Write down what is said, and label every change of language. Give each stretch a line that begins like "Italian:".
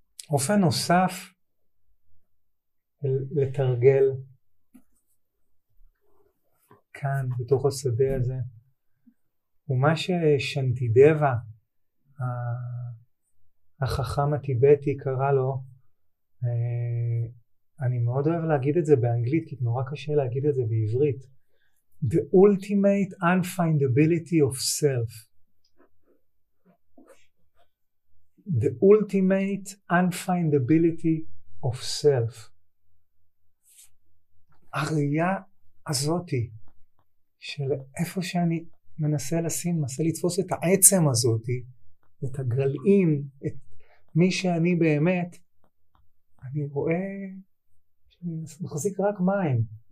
Hebrew: אופן נוסף לתרגל כאן, בתוך השדה הזה, הוא מה ששנטידבה, החכם הטיבטי, קרא לו, אני מאוד אוהב להגיד את זה באנגלית, כי נורא קשה להגיד את זה בעברית,
English: The ultimate unfindability of self. The ultimate unfindability of self.
Hebrew: הראייה הזאתי, של איפה שאני מנסה לשים, מנסה לתפוס את העצם הזאת, את הגלעין, את מי שאני באמת, אני רואה שאני מחזיק רק מים.